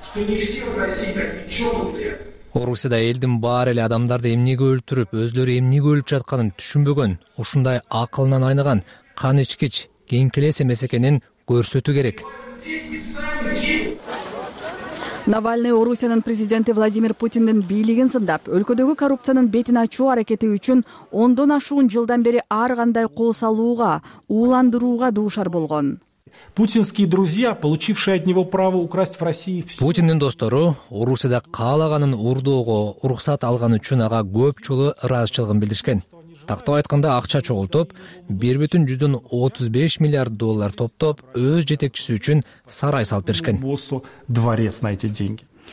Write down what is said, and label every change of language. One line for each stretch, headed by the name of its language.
Kyrgyz: Орусияда элдин баары эле адамдарды эмнеге өлтүрүп, өзлөрү эмнеге өлүп жатканын түшүнбөгөн, ушундай акылынан айныган, кан ичкич, кеңкелес эмес экенин көрсөтүү керек. Навальный Орусиянын президенти Владимир Путиндин бийлигин сындап, өлкөдөгү коррупциянын бетин ачуу аракети үчүн 10 ашуун жылдан бери ар кандай кол салууга, уландырууга дуушар болгон.
Russian: Путинские друзья, получившие от него право украсть в России всё.
Kyrgyz: Путиндин достору Орусияда каалаганын урдоого уруксат алган үчүн ага көп жолу ыраазычылыгын билдиришкен. Тактап айтканда акча чогултуп, 1,135 миллиард доллар топтоп, өз жетекчиси үчүн сарай салып беришкен.
Russian: Дворец на эти деньги.